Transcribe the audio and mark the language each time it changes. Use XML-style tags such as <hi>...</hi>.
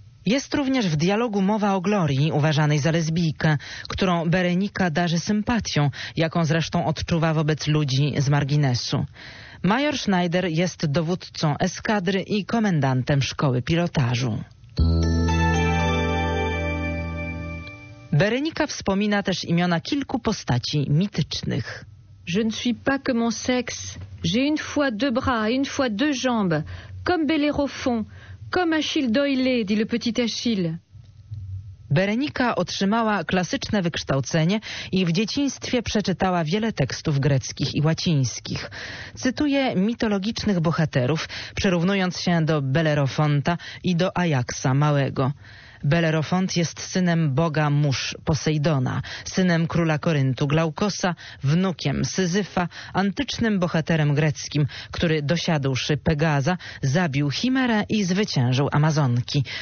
<pl>Jest również w dialogu mowa o Glorii, uważanej za lesbijkę, którą Berenika darzy sympatią, jaką zresztą odczuwa wobec ludzi z marginesu. Major Schneider jest dowódcą eskadry i komendantem szkoły pilotażu. Berenika wspomina też imiona kilku postaci mitycznych.</pl> <fr>Je ne suis pas que mon sexe. J'ai une fois deux bras, une fois deux jambes. Comme Bellérophon, comme Achille d'Oïlée, dit le petit Achille.</fr> <pl>Berenika otrzymała klasyczne wykształcenie i w dzieciństwie przeczytała wiele tekstów greckich i łacińskich. Cytuje mitologicznych bohaterów, przyrównując się do Bellerofonta i do Ajaxa Małego. Bellerofont jest synem boga mórz Posejdona, synem króla Koryntu Glaukosa, wnukiem Syzyfa, antycznym bohaterem greckim, który dosiadłszy Pegaza, zabił Chimerę i zwyciężył Amazonki.</pl>